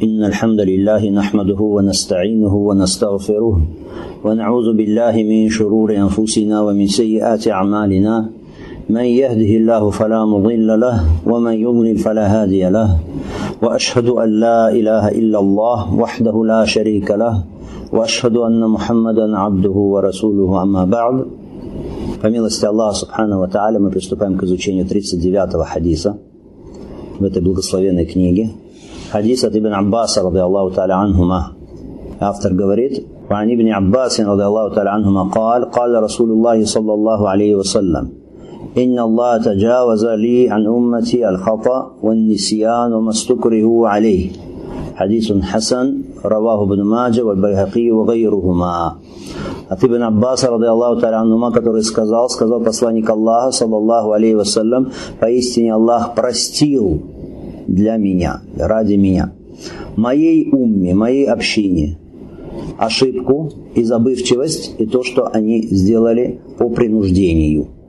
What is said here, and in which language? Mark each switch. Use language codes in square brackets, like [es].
[ar] إن الحمد لله نحمده ونستعينه ونستغفره ونعوذ بالله من شرور أنفسنا ومن سيئات أعمالنا، من يهده الله فلا مضل له ومن يضلل فلا هادي له، وأشهد أن لا إله إلا الله وحده لا شريك له، وأشهد أن محمدا عبده ورسوله، أما بعد. فمилости الله سبحانه وتعالى [ru] мы приступаем к изучению 39-го хадиса в этой благословенной книге. Хадис от Ибн Аббаса, [ar] رضي الله تعالى عنهما. [ru] Автор говорит: [ar] وعن ابن عباس رضي الله تعالى عنهما قال: قال رسول الله صلى الله عليه وسلم: إن الله تجاوز لي عن أمتي الخطأ والنسيان وما استكره عليه. حديث حسن رواه ابن ماجه والبيهقي وغيرهما. [ru] От Ибн Аббаса, [ar] رضي الله تعالى عنهما, [ru] который сказал посланник Аллаха, саллаллаху алейхи ва саллям: поистине Аллах простил для меня, ради меня, моей умме, моей общине ошибку и забывчивость, и то, что они сделали по принуждению.